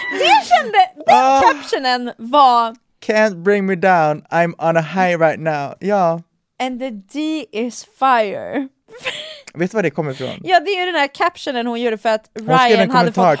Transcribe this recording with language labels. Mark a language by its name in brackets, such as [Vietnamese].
[Swedish] Det kände, den captionen var, [English] can't bring me down, I'm on a high right now. [Swedish] Ja. [English] And the D is fire. [Swedish] Vet du var det kommer ifrån? Ja, det är den här captionen hon gjorde för att Ryan hade fått hat.